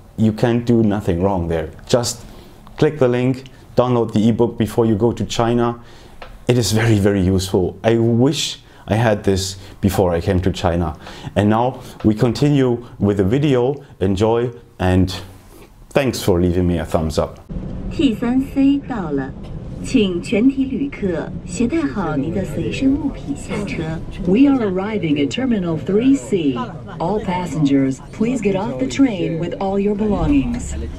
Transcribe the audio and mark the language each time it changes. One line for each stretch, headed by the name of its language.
English: you can't do nothing wrong there. Just click the link, download the ebook before you go to China. It is very, very useful. I wish I had this before I came to China. And now we continue with the video. Enjoy, and thanks for leaving me a thumbs up.
Chinese: T3C 到了，请全体旅客携带好您的随身物品下车。
English: We are arriving at Terminal 3C. All passengers, please get off the train with all your belongings.